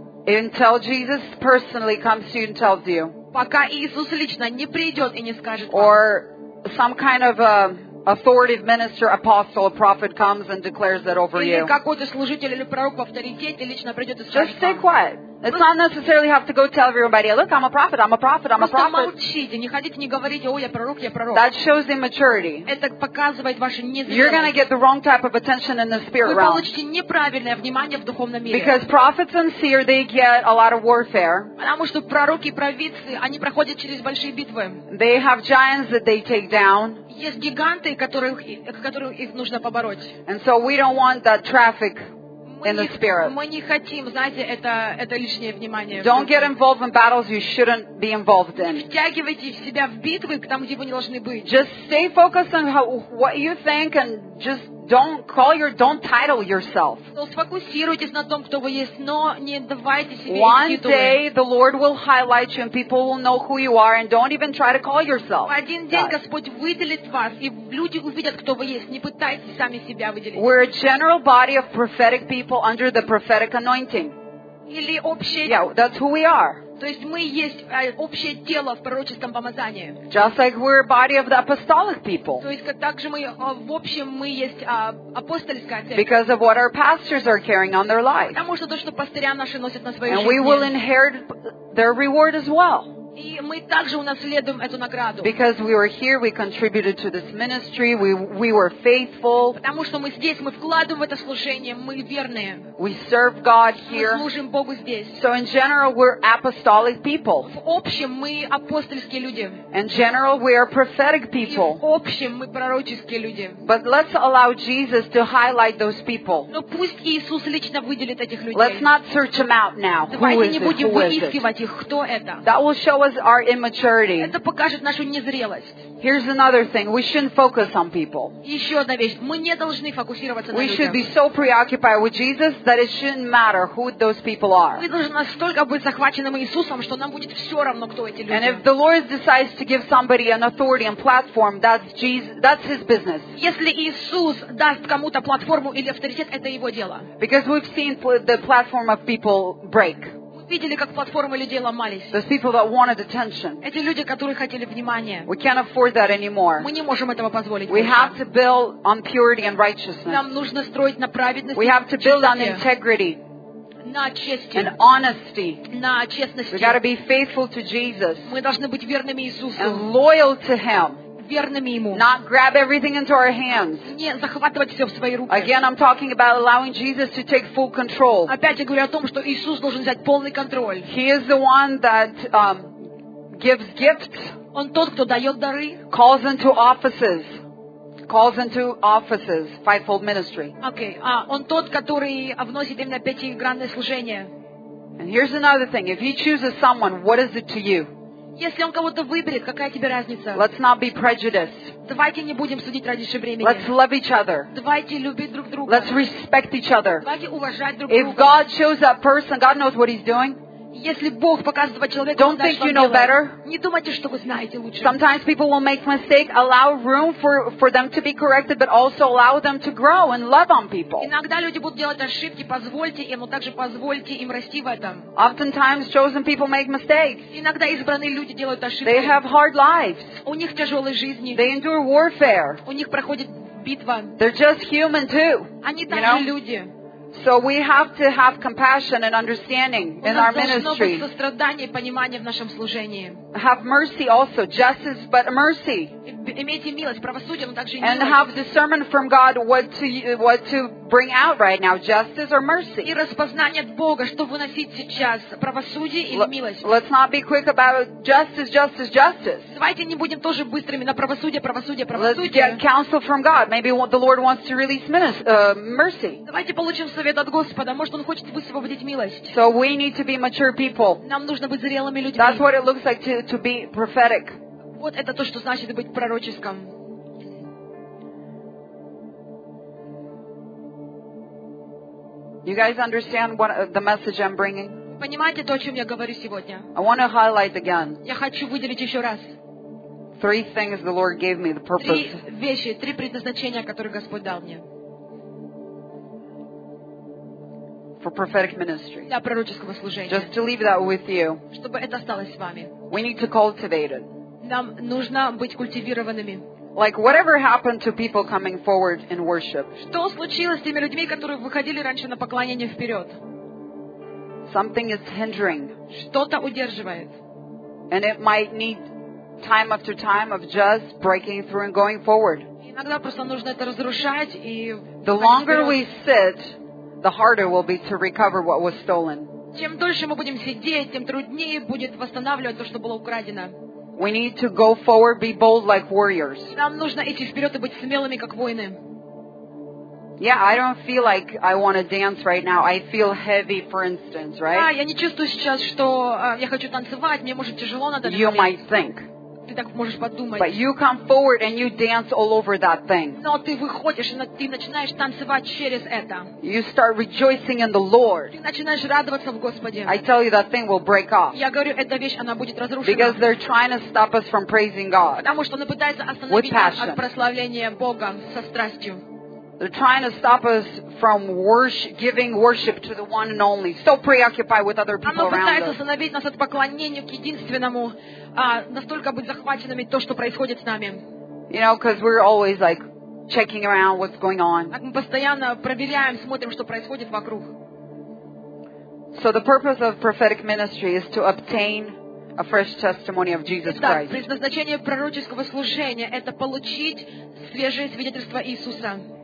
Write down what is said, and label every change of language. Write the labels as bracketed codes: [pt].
[en] Until Jesus personally comes to you and tells you. [ru] Пока Иисус лично не придет и не скажет вам. [en] Or some kind of a authoritative minister, apostle, or prophet comes and declares that over you. [ru] Или какой-то служитель или пророк в авторитете лично придет и скажет. [en] Just stay quiet. It's not necessarily have to go tell everybody, look, I'm a prophet, I'm a prophet, I'm a prophet. [ru] Просто молчите, не ходите, не говорите, о, я пророк, я пророк. [en] That shows immaturity. [ru] Это показывает ваше незрелость. [en] You're going to get the wrong type of attention in the spirit realm. [ru] Вы получите неправильное внимание в духовном мире. [en] Because prophets and seers, they get a lot of warfare. [ru] Потому что пророки и провидцы, они проходят через большие битвы. [en] They have giants that they take down. [ru] Есть гиганты, которых их нужно побороть. [en] And so we don't want that traffic. In the spirit. [ru] Мы не хотим, знаете, это лишнее внимание. [en] Don't get involved in battles you shouldn't be involved in. [ru] Не втягивайте себя в битвы, там, где вы не должны быть. [en] Just stay focused on what you think and just don't title yourself. [ru] Сфокусируйтесь на том, кто вы есть, но не давайте себе титулы. [en] One day the Lord will highlight you and people will know who you are and don't even try to call yourself. [ru] Один день Господь выделит вас, и люди увидят, кто вы есть. Не пытайтесь сами себя выделить. [en] We're a general body of prophetic people under the prophetic anointing. [ru] Или общее. [en] Yeah, that's who we are. [ru] То есть мы есть общее тело в пророческом помазании. [en] Just like we're a body of the apostolic people. [ru] То есть так же мы в общем мы есть апостольская церковь. [en] Because of what our pastors are carrying on their life. [ru] Потому что то, что пастыря наши носят на своей [en] And [ru] жизни. [en] And we will inherit their reward as well. [ru] И мы также унаследуем эту награду. [en] Because we were here, we contributed to this ministry, we were faithful. [ru] Потому что мы здесь, мы вкладываем в это служение, мы верные. [en] We serve God here. [ru] Мы служим Богу здесь. [en] So in general, we're apostolic people. [ru] В общем, мы апостольские люди. [en] In general, we are prophetic people. [ru] И в общем, мы пророческие люди. [en] But let's allow Jesus to highlight those people. [ru] Но пусть Иисус лично выделит этих людей. [en] Let's not search them out now. [ru] Давайте не будем выискивать их. Кто это? [en] That will show us our immaturity. [ru] Это покажет нашу незрелость. [en] Here's another thing. We shouldn't focus on people. [ru] Еще одна вещь. Мы не должны фокусироваться на людях. [en] We should be so preoccupied with Jesus that it shouldn't matter who those people are. [ru] Мы должны настолько быть захваченным Иисусом, что нам будет все равно, кто эти люди. [en] And if the Lord decides to give somebody an authority and platform, that's His business. [ru] Если Иисус даст кому-то платформу или авторитет, это Его дело. [en] Because we've seen the platform of people break. [ru] Видели, как платформы людей ломались. [en] Those people that wanted attention. [ru] Эти люди, которые хотели внимания. [en] We can't afford that anymore. [ru] Мы не можем этого позволить. [en] We have to build on purity and righteousness. [ru] Нам нужно строить на праведности. [en] We have to build on integrity. [ru] На чести. [en] And honesty. [ru] На честности. [en] We got to be faithful to Jesus. [ru] Мы должны быть верными Иисусу. [en] And loyal to Him. [ru] Верными Ему. [en] Not grab everything into our hands. [ru] Не захватывать все в свои руки. [en] Again, I'm talking about allowing Jesus to take full control. [ru] Опять я говорю о том, что Иисус должен взять полный контроль. [en] He is the one that gives gifts. [ru] Он тот, кто дает дары. [en] Calls into offices. Calls into offices. Fivefold ministry. Okay. [ru] Он тот, который вносит именно пятигранное служение. [en] And here's another thing. If He chooses someone, what is it to you? [ru] Если он кого-то выберет, какая тебе разница? [en] Let's not be prejudiced. [ru] Давайте не будем судить раньше времени. [en] Let's love each other. [ru] Давайте любить друг друга. [en] Let's respect each other. [ru] Давайте уважать друг [en] If [ru] друга. [en] If God chose that person, God knows what He's doing. [ru] Если Бог показывает этого человека, [en] Don't think you know better. [ru] Не думайте, что вы знаете лучше. [en] Sometimes people will make mistakes. Allow room for them to be corrected, but also allow them to grow and love on people. [ru] Иногда люди будут делать ошибки, позвольте им, но также позвольте им расти в этом. [en] Oftentimes chosen people make mistakes. [ru] Иногда избранные люди делают ошибки. [en] They have hard lives. [ru] У них тяжелые жизни. [en] They endure warfare. [ru] У них проходит битва. [en] They're just human too. [ru] Они также люди. [en] So we have to have compassion and understanding in our ministry. [ru] Сострадание и понимание в нашем служении. [en] Have mercy also, justice, but mercy. [ru] имейте милость, правосудие, но также [en] and have discernment from God what to bring out right now, justice or mercy. [ru] И распознание от Бога, что выносить сейчас, правосудие или милость. [en] Let's not be quick about justice, justice, justice. [ru] Давайте не будем тоже быстрыми на правосудие, правосудие, правосудие. [en] Let's get counsel from God. Maybe the Lord wants to release mercy. [ru] Давайте получим совет от Господа, может он хочет высвободить милость. [en] So we need to be mature people. [ru] Нам нужно быть зрелыми людьми. [en] That's what it looks like to be prophetic. [ru] Вот это то, что значит быть пророческим. [en] You guys understand what the message I'm bringing? [ru] Понимаете то, о чём я говорю сегодня? [en] I want to highlight again. [ru] Я хочу выделить ещё раз. [en] Three things the Lord gave me, the purpose. [ru] Три вещи, три предназначения, которые Господь дал мне. [en] For prophetic ministry. [ru] Для пророческого служения. [en] Just to leave that with you. [ru] Чтобы это осталось с вами. [en] We need to cultivate it. [ru] Нам нужно быть культивированными. [en] Like whatever happened to people coming forward in worship. [ru] Что случилось с теми людьми, которые выходили раньше на поклонение вперёд? [en] Something is hindering. [ru] Что-то удерживает. [en] And it might need time after time of just breaking through and going forward. [ru] Иногда просто нужно это разрушать и [en] The longer we sit, the harder will be to recover what was stolen. [ru] Чем дольше мы будем сидеть, тем труднее будет восстанавливать то, что было украдено. [en] We need to go forward, be bold like warriors. [ru] Нам нужно идти вперёд и быть смелыми как воины. [en] Yeah, I don't feel like I want to dance right now. I feel heavy, for instance, right? [ru] Да, я не чувствую сейчас, что я хочу танцевать, мне может тяжело на данный момент. [en] You might think. [ru] Ты так можешь подумать. [en] But you come forward and you dance all over that thing. [ru] Но ты выходишь и ты начинаешь танцевать через это. [en] You start rejoicing in the Lord. [ru] Ты начинаешь радоваться в Господе. [en] I tell you that thing will break off. [ru] Я говорю, эта вещь она будет разрушена. [en] Because they're trying to stop us from praising God. [ru] Потому что они пытаются остановить нас от прославления Бога со страстью. [en] They're trying to stop us from giving worship to the one and only. So preoccupied with other people around us. [ru] Они пытаются остановить нас от поклонения к единственному, настолько быть захваченными то, что происходит с нами. [en] You know, because we're always like checking around what's going on. [ru] Мы постоянно проверяем, смотрим, что происходит вокруг. [en] So the purpose of prophetic ministry is to obtain a fresh testimony of Jesus Christ. [ru] Итак, предназначение пророческого служения это получить свежее свидетельство Иисуса.